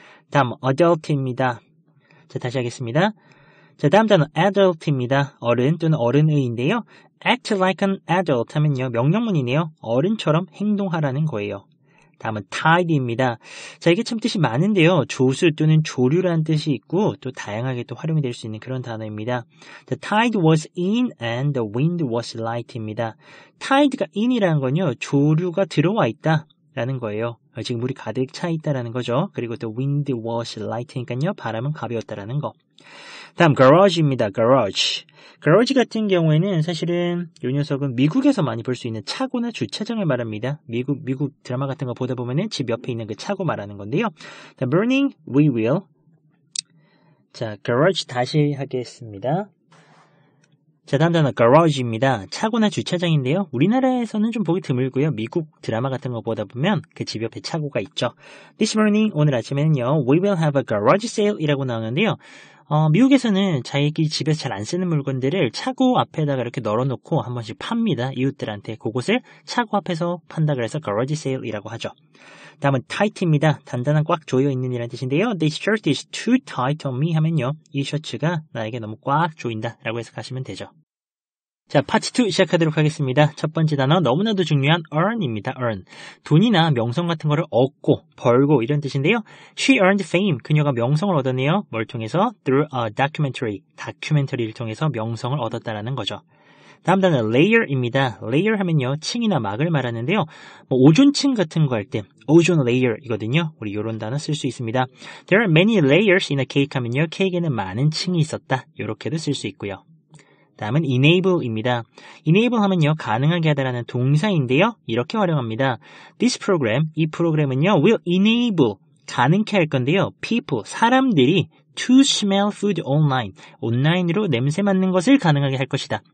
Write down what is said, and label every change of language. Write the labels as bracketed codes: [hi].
[ko] 다음 adult입니다. 자, 다시 하겠습니다. 자, 다음 단어 adult입니다. 어른 또는 어른의인데요. [en] Act like an adult 하면요. 명령문이네요. [ko] 어른처럼 행동하라는 거예요. 다음은 tide입니다. 자, 이게 참 뜻이 많은데요. 조수 또는 조류라는 뜻이 있고 또 다양하게 또 활용이 될 수 있는 그런 단어입니다. [en] The tide was in and the wind was light입니다. [ko] tide가 in이라는 건요. 조류가 들어와 있다라는 거예요. 지금 물이 가득 차 있다라는 거죠. 그리고 또 wind was light 니까요. 바람은 가벼웠다라는 거. 다음 garage입니다. garage. garage 같은 경우에는 사실은 요 녀석은 미국에서 많이 볼 수 있는 차고나 주차장을 말합니다. 미국 드라마 같은 거 보다 보면은 집 옆에 있는 그 차고 말하는 건데요. The burning we will. 자, garage 다시 하겠습니다. 자, 다음 단어 garage입니다. 차고나 주차장인데요. 우리나라에서는 좀 보기 드물고요. 미국 드라마 같은 거 보다 보면 그 집 옆에 차고가 있죠. [en] This morning, 오늘 아침에는요. We will have a garage sale 이라고 나오는데요. [ko] 미국에서는 자기 집에서 잘 안 쓰는 물건들을 차고 앞에다가 이렇게 널어놓고 한 번씩 팝니다. 이웃들한테 그곳을 차고 앞에서 판다 그래서 garage sale 이라고 하죠. 다음은 tight입니다. 단단한 꽉 조여있는 이란 뜻인데요. [en] This shirt is too tight on me 하면요. [ko] 이 셔츠가 나에게 너무 꽉 조인다 라고 해석하시면 되죠. 자, 파트 2 시작하도록 하겠습니다. 첫 번째 단어, 너무나도 중요한 earn입니다. earn. 돈이나 명성 같은 거를 얻고, 벌고 이런 뜻인데요. [en] She earned fame. [ko] 그녀가 명성을 얻었네요. [en] 뭘 통해서? Through a documentary. [ko] 다큐멘터리를 통해서 명성을 얻었다라는 거죠. 다음 단어, layer입니다. layer 하면요, 층이나 막을 말하는데요. 뭐 오존층 같은 거 할 때, ozone layer 이거든요. 우리 이런 단어 쓸 수 있습니다. [en] There are many layers in a cake 하면요. [ko] 케이크에는 많은 층이 있었다. 이렇게도 쓸 수 있고요. 다음은 enable입니다. enable 하면요, 가능하게 하다라는 동사인데요. 이렇게 활용합니다. This program, 이 프로그램은요, will enable, 가능케 할 건데요. people, 사람들이 to smell food online, 온라인으로 냄새 맡는 것을 가능하게 할 것이다.